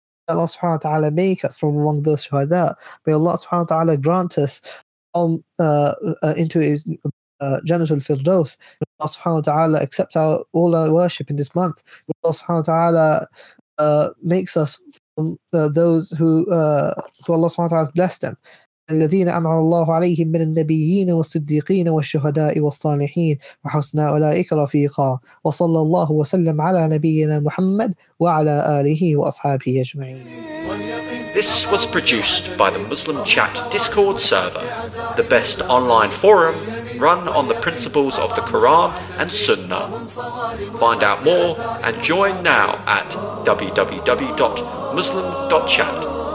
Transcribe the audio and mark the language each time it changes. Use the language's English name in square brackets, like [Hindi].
[English] May Allah subhanahu wa ta'ala make us from among those shuhada. May Allah subhanahu wa ta'ala grant us into his janatul firdaus. May Allah subhanahu wa ta'ala accept all our worship in this month. May Allah subhanahu wa ta'ala makes us from those who Allah subhanahu wa ta'ala has blessed them. [Arabic] الذين أمر الله عليهم من النبيين والصديقين والشهداء والصالحين وحسن أولئك رفيقا وصلى الله وسلم على نبينا محمد وعلى آله وأصحابه أجمعين. [English] This was produced by the Muslim Chat Discord server, the best online forum run on the principles of the Quran and Sunnah. Find out more and join now at www.muslim.chat.